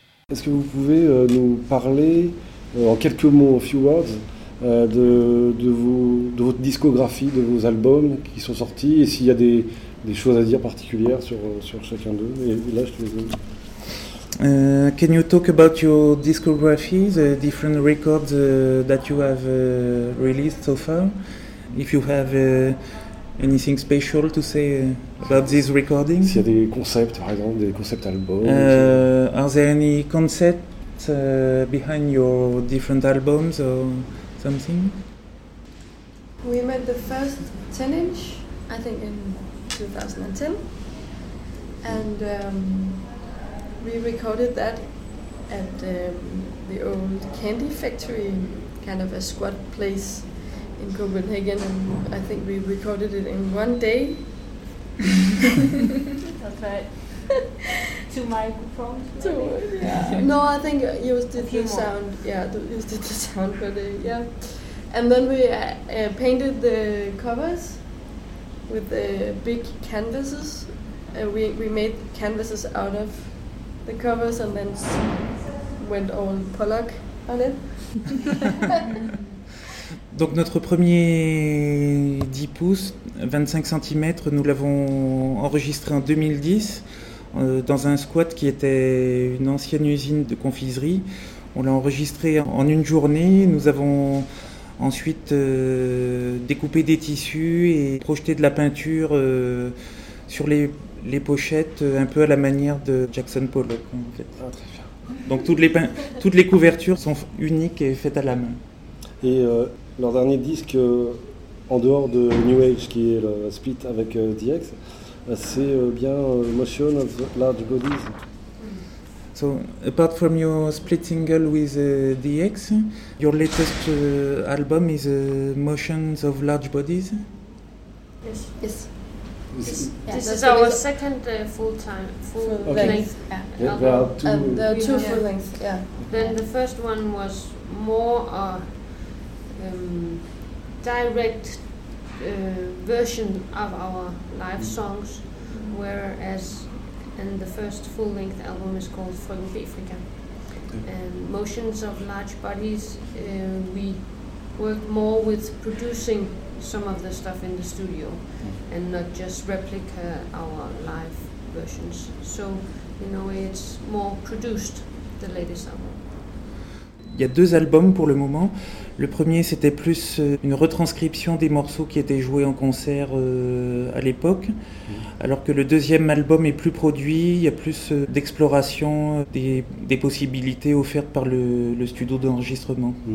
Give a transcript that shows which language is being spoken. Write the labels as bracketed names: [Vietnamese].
[French] Est-ce que vous pouvez nous parler, en quelques mots, en [English] few words, [French] de votre discographie, de vos albums qui sont sortis, et s'il y a des choses à dire particulières sur chacun d'eux? Et là, je te les donne. [English] Can you talk about your discography, the different records that you have released so far? If you have anything special to say about these recordings? S'il y a des concepts, par exemple, des concept albums. Are there any concepts behind your different albums or something? We made the first 10-inch, I think, in 2010. And we recorded that at the old candy factory, kind of a squat place in Copenhagen, and I think we recorded it in one day. That's right. Two microphones. Two. Yeah. No, I think you just did the sound. Yeah, you just did the sound for the yeah. And then we painted the covers with the big canvases. We made canvases out of the covers and then went all Pollock on it. [French] Donc notre premier 10 pouces, 25 cm, nous l'avons enregistré en 2010 dans un squat qui était une ancienne usine de confiserie. On l'a enregistré en une journée. Nous avons ensuite découpé des tissus et projeté de la peinture sur les pochettes, un peu à la manière de Jackson Pollock. En fait. Ah, très bien. Donc toutes les couvertures sont uniques et faites à la main. Et leur dernier disque, en dehors de New Age, qui est le split avec DX, c'est bien Motion of Large Bodies. [English] So, apart from your split single with DX, your latest album is Motions of Large Bodies? Yes. This is our second full-length album. There are two full-lengths, yeah. Then the first one was more direct version of our live songs, whereas and the first full-length album is called From Africa. Motions of Large Bodies, we work more with producing some of the stuff in the studio and not just replica our live versions. So, in a way, it's more produced, the latest album. [French] Il y a deux albums pour le moment. Le premier, c'était plus une retranscription des morceaux qui étaient joués en concert à l'époque. Alors que le deuxième album est plus produit, il y a plus d'exploration des possibilités offertes par le studio d'enregistrement.